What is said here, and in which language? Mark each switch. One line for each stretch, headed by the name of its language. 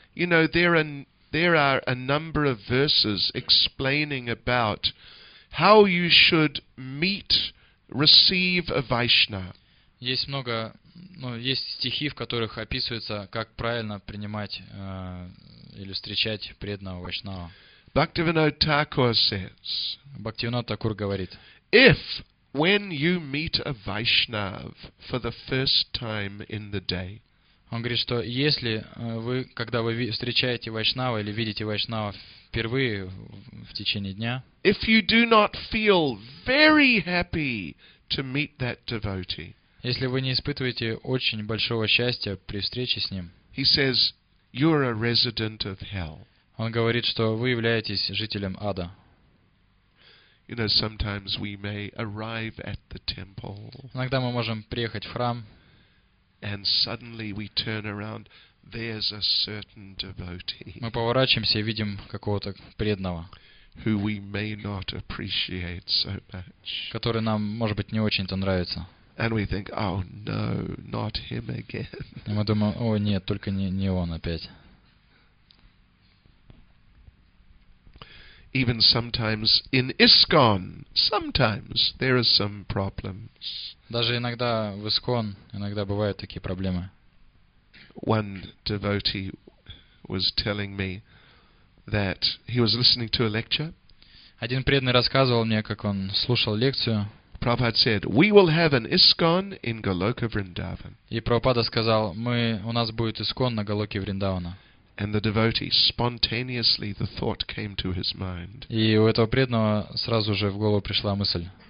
English: You know, there are a number of verses explaining about how you should meet, receive a Vaishnava.
Russian: Есть много, ну, есть стихи, в которых описывается, как правильно принимать или встречать преданного вайшнава.
English: Бхактивинод Такур says.
Russian: Бхактивинод Такур говорит.
English: If when you meet a Vaishnav for the first time in the day.
Russian: Он говорит, что если вы, когда вы встречаете вайшнава или видите вайшнава впервые в течение дня.
English: If you do not feel very happy to meet that devotee.
Russian: Если вы не испытываете очень большого счастья при встрече с ним,
English: he says, you're a resident of hell.
Russian: Он говорит, что вы являетесь жителем ада.
English: You know, sometimes we may arrive at the temple,
Russian: иногда мы можем приехать в храм,
English: and suddenly we turn around, there's a certain devotee,
Russian: мы поворачиваемся и видим какого-то преданного,
English: who we may not appreciate so much,
Russian: который нам, может быть, не очень-то нравится.
English: And we think, oh no, not him again.
Russian: И мы думаем, о нет, только не он опять.
English: Even sometimes in ISKCON, sometimes there are some problems.
Russian: Даже иногда в ISKCON иногда бывают такие проблемы.
English: One devotee was telling me that he was listening to a lecture.
Russian: Один преданный рассказывал мне, как он слушал лекцию.
English: Prabhupada said, "We will have an ISKCON in Goloka Vrindavan."
Russian: И Прабхупада сказал, мы у нас будет ИСКОН на Голоке Вриндавана.
English: And the devotee spontaneously the thought came to his mind.
Russian: И у этого преданного сразу же в голову пришла мысль.